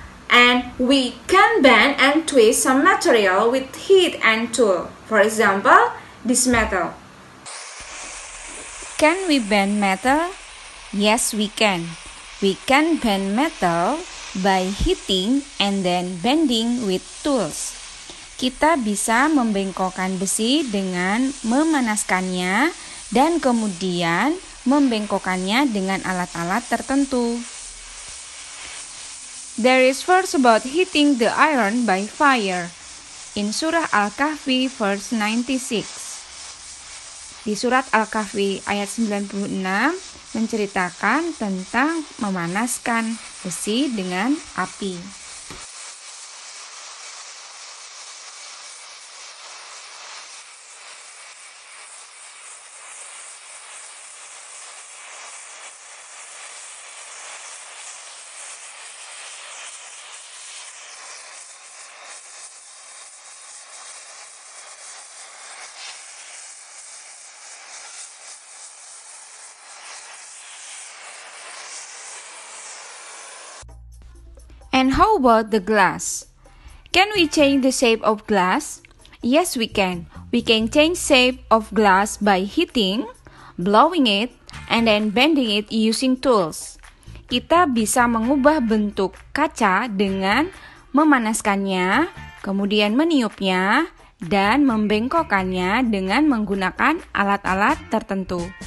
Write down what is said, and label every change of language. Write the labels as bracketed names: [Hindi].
[English] And we can bend and twist some material with heat and tool. For example, this metal. Can we bend metal? Yes, we can. We can bend metal by heating and then bending with tools. [Indonesian] Kita bisa membengkokkan besi dengan memanaskannya dan kemudian membengkokkannya dengan alat-alat tertentu. [English] There is verse about heating the iron by fire in Surah Al-Kahfi verse 96. [Indonesian] Di Surat Al-Kahfi ayat 96 menceritakan tentang memanaskan besi dengan api. [English] And how about the glass? Can we change the shape of glass? Yes, we can. We can change shape of glass by heating, blowing it, and then bending it using tools. [Indonesian] Kita bisa mengubah bentuk kaca dengan memanaskannya, kemudian meniupnya, dan membengkokkannya dengan menggunakan alat-alat tertentu.